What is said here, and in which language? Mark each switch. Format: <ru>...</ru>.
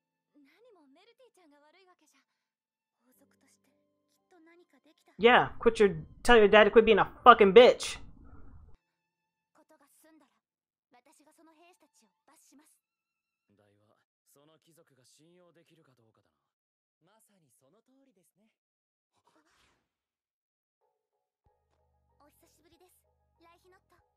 <ja>何もメルティちゃんが悪いわけじゃ。王族としてきっと何かできた。</ja> <en>Yeah, quit your, tell your dad to quit being a fucking bitch.</en> <ja>ことが済んだら私がその兵士たちを罰します。代はその貴族が信用できるかどうかだな。まさにその通りですね。お久しぶりです、ライヒノット。</ja>